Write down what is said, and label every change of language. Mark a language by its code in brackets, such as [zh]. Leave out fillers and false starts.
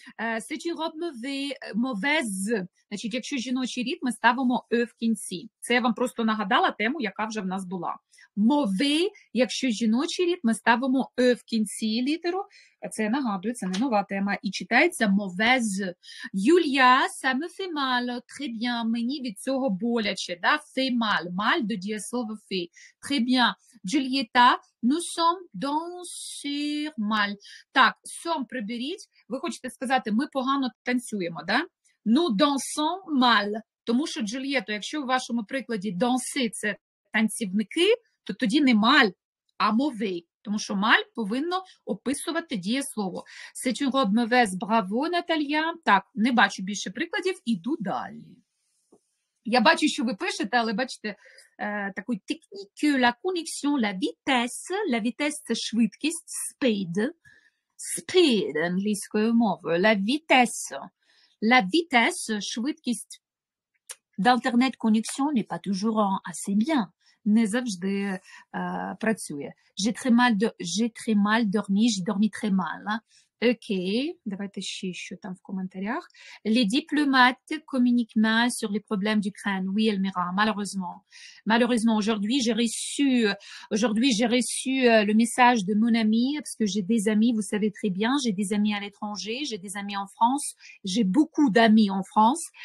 [fr] C'est une robe mauvaise. [uk] Значить, якщо жіночий рід, ми ставимо е в кінці. Це я вам просто нагадала тему, яка вже в нас була. Mauvais, якщо жіночий рід, ми ставимо е в кінці літеру. Це я нагадую, це не нова тема. І читай. Це mauvaise. [fr] Юлія, ça me fait mal, très bien, [uk] мені від цього боляче, да, [fr] fait mal, mal [uk] до дієслова [fr] fait, très bien. Джульєта, nous sommes dans mal. [uk] Так, сом приберіть, ви хочете сказати, ми погано танцюємо, да? [fr] Nous dansons mal, [uk] тому що Джульєто, якщо в вашому прикладі danser – це танцівники, то тоді не mal, а mauvais. Тому що mal повинно описувати дієслово. [fr] C'est une robe mauvaise, [uk] браво, [fr] Наталія. [uk] Так, не бачу більше прикладів, іду далі. Я бачу, що ви пишете, але бачите, такий технікю, [fr] la connexion, la vitesse [uk] – це швидкість, [en] speed, speed [uk] англійською мовою, [fr] la vitesse, [uk] швидкість [fr] d'internet-connexion n'est pas toujours assez bien. [uk] Не завжди працює. [fr] J'ai très mal dormi, j'ai dormi très mal. [uk] Ok, давайте ще, що там в коментарях. [fr] Les diplomates communiquent mal sur les problèmes d'Ukraine. Oui, Elmira, malheureusement. Malheureusement, aujourd'hui j'ai reçu le message de mon ami, parce que j'ai des amis, vous savez très bien, j'ai des amis à l'étranger, j'ai des amis en France, j'ai beaucoup d'amis en France.